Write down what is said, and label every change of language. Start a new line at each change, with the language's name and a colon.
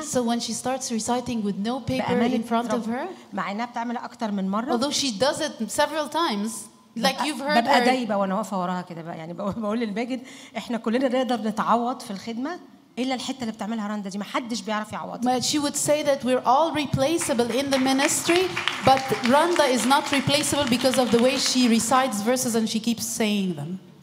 English: so when she starts reciting with no paper in front of her
Arabic: مع انها بتعمل اكتر من مره
English: although she does it several times Like you've heard her.
Arabic: دايبة وأنا واقفة وراها كده بقى يعني بقول للماجد إحنا كلنا نقدر نتعوض في الخدمة إلا الحتة اللي بتعملها رندا دي ما حدش بيعرف يعوض.
English: But she would say that we're all replaceable in the ministry, but Rhonda is not replaceable because of the way she recites verses and she keeps saying them.